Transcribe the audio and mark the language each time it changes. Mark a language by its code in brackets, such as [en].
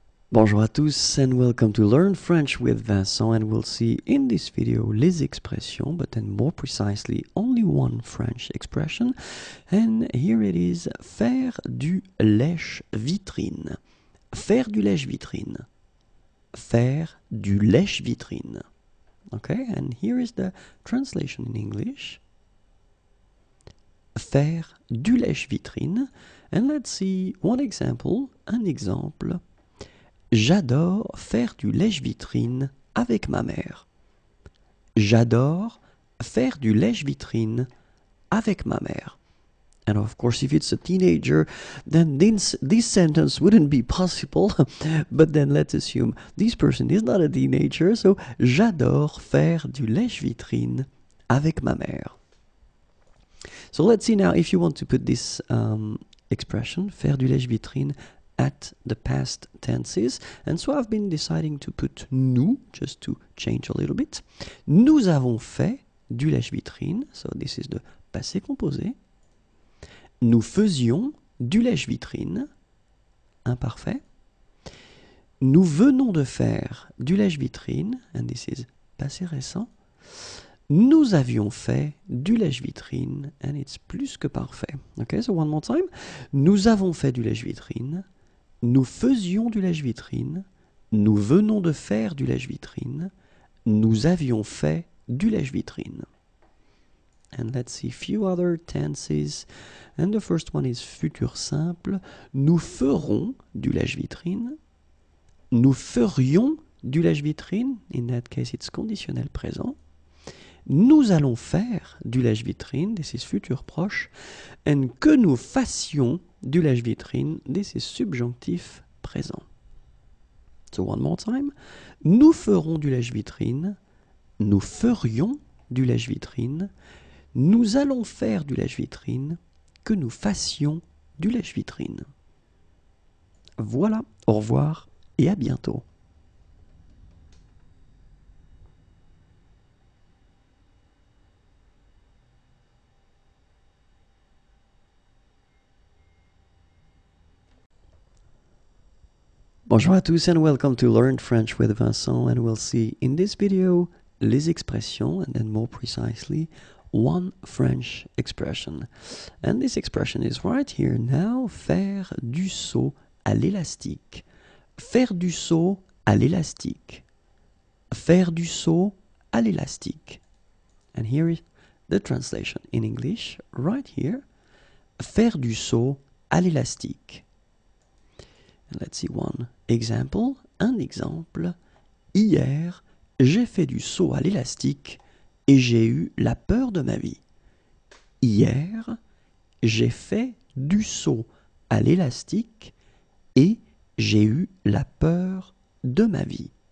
[fr] Bonjour à tous [en] and welcome to Learn French with Vincent, and we'll see in this video [fr] les expressions, [en] but then more precisely only one French expression, and here it is, faire du lèche-vitrine, faire du lèche-vitrine, faire du lèche-vitrine, okay, and here is the translation in English, faire du lèche-vitrine, and let's see one example, [fr] un exemple. J'adore faire du lèche-vitrine avec ma mère. J'adore faire du lèche-vitrine avec ma mère. [en] And of course, if it's a teenager, then this sentence wouldn't be possible. But then let's assume this person is not a teenager. [fr] So, j'adore faire du lèche-vitrine avec ma mère. [en] So let's see now if you want to put this expression, faire du lèche-vitrine, at the past tenses, and so I've been deciding to put nous, just to change a little bit. [fr] Nous avons fait du lèche-vitrine, [en] so this is the [fr] passé composé. Nous faisions du lèche-vitrine, imparfait. Nous venons de faire du lèche-vitrine, [en] and this is [fr] passé récent. Nous avions fait du lèche-vitrine, [en] and it's plus que parfait. Okay, so one more time. [fr] Nous avons fait du lèche-vitrine. Nous faisions du lèche-vitrine, nous venons de faire du lèche-vitrine, nous avions fait du lèche-vitrine. [en] And let's see a few other tenses. And the first one is futur simple. [fr] Nous ferons du lèche-vitrine, nous ferions du lèche-vitrine. [en] In that case, it's [fr] conditionnel présent. Nous allons faire du lèche-vitrine, [en] this is [fr] futur proche. [en] And [fr] que nous fassions du lèche-vitrine, [en] this is subjonctif présent. So one more time. [fr] Nous ferons du lèche-vitrine. Nous ferions du lèche-vitrine. Nous allons faire du lèche-vitrine, que nous fassions du lèche-vitrine. Voilà, au revoir et à bientôt. Bonjour à tous [en] and welcome to Learn French with Vincent, and we'll see in this video [fr] les expressions, [en] and then more precisely one French expression. And this expression is right here now, faire du saut à l'élastique. [fr] Faire du saut à l'élastique. Faire du saut à l'élastique. [en] And here is the translation in English, right here. [fr] Faire du saut à l'élastique. [en] Let's see one example. [fr] Un exemple. Hier, j'ai fait du saut à l'élastique et j'ai eu la peur de ma vie. Hier, j'ai fait du saut à l'élastique et j'ai eu la peur de ma vie.